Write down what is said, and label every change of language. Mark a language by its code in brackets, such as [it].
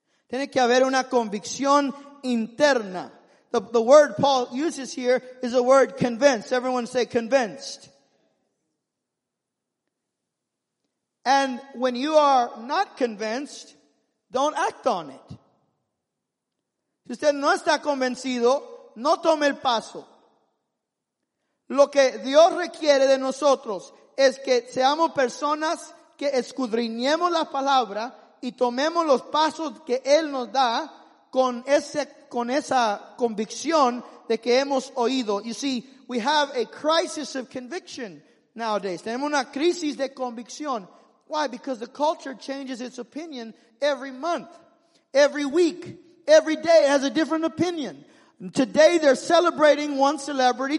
[es] Tiene que haber una convicción interna. [en] The word Paul uses here is a word convinced. Everyone say convinced. And when you are not convinced, don't act on it. [es] Si usted no está convencido, no tome el paso. Lo que Dios requiere de nosotros es que seamos personas que escudriñemos la palabra y tomemos los pasos que Él nos da con esa convicción de que hemos oído. [en] You see, we have a crisis of conviction nowadays. [es] Tenemos una crisis de convicción. [en] Why? Because the culture changes its opinion every month. every week, every day has a different opinion. Today they're celebrating one celebrity.